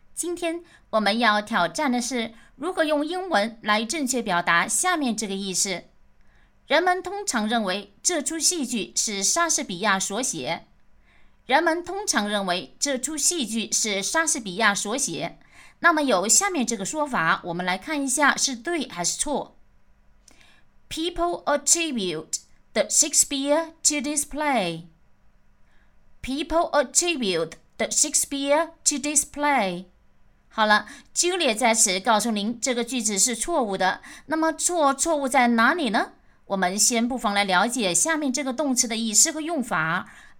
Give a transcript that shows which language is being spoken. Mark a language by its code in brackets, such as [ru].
[zh] 今天我们要挑战的是如何用英文来正确表达下面这个意思。人们通常认为这出戏剧是莎士比亚所写。人们通常认为这出戏剧是莎士比亚所写。那么有下面这个说法，我们来看一下是对还是错。 [en] People attribute the Shakespeare to this play. People attribute the Shakespeare to this play. [zh] 好了， Julia 在此告诉您这个句子是错误的。那么错误在哪里呢？我们先不妨来了解下面这个动词的意思和用法。